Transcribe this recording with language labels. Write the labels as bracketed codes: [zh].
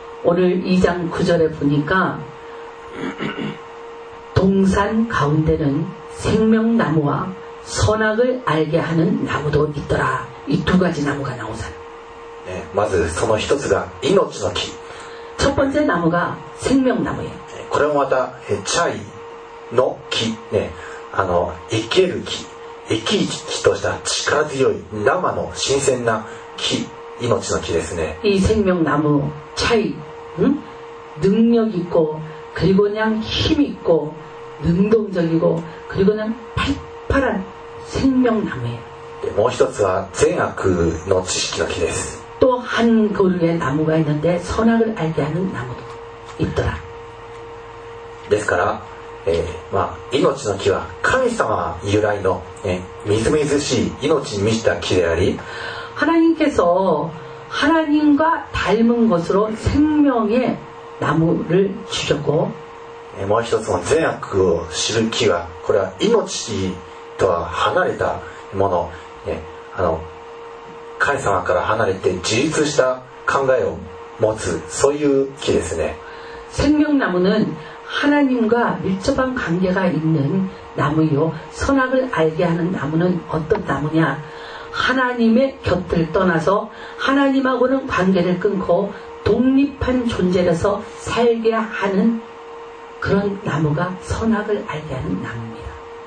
[ko] 오늘2장9절에보니까동산가운데는생명나무와선악을알게하는나무도있더라이두가지나무가나오잖아 [ja] 네まずその1つが命の木 [ko] 첫번째나무가생명나무예요 그럼 [ja] また차이の木ね、あの生ける木、生き生きとした力強い生の新鮮な木、命の木ですね。 [ko] 이생명나무차이능력있고그리고그냥힘있고능동적이고그리고그냥팔팔한생명나무예요 [ja] でもう一つは善悪の知識の木です。 [ko] 또한그루의나무가있는데선악을알게하는나무도있더라 [ja] ですから命の木は神様由来の、みずみずしい命に満ちた木であり [ko] 하나님께서하나님과닮은것으로생명의나무를주셨고 [ja] もう一つの善悪を知る木はこれは命とは離れたもの、あの神様から離れて自立した考えを持つそういう木ですね [ko] 생명나무는하나님과밀접한관계가있는나무이요선악을알게하는나무는어떤나무냐하나님의곁을떠나서하나님하고는관계를끊고독립한존재로서살게하는그런나무가선악을알게하는나무입니다